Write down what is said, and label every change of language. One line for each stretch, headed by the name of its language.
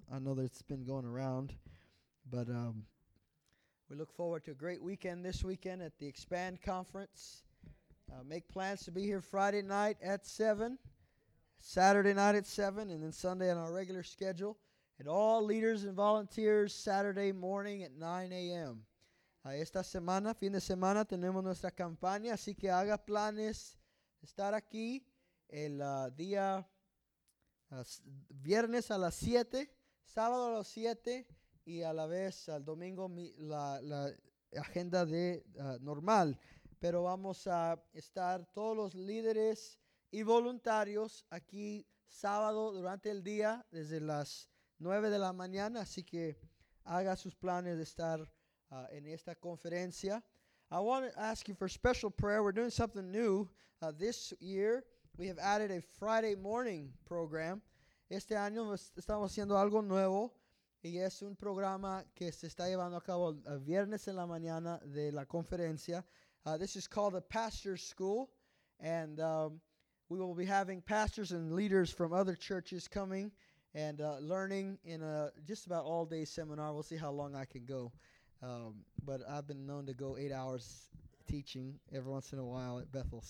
English: I know that it's been going around. But we look forward to a great weekend this weekend at the Expand Conference. Make plans to be here Friday night at 7, Saturday night at 7, and then Sunday on our regular schedule. And all leaders and volunteers, Saturday morning at 9 a.m.
Spanish: Esta semana, fin de semana, tenemos nuestra campaña, así que haga planes estar aquí el día viernes a las 7, sábado a las 7 y a la vez al domingo la agenda de normal. Pero vamos a estar todos los líderes y voluntarios aquí sábado durante el día desde las 9 de la mañana, así que haga sus planes de estar en esta conferencia.
English: I want to ask you for special prayer. We're doing something new. This year, we have added a Friday morning program.
Spanish: Este año estamos haciendo algo nuevo, y es un programa que se está llevando a cabo viernes en la mañana de la conferencia.
English: This is called the Pastor's School, and we will be having pastors and leaders from other churches coming and learning in a just about all-day seminar. We'll see how long I can go. But I've been known to go 8 hours teaching every once in a while at Bethel.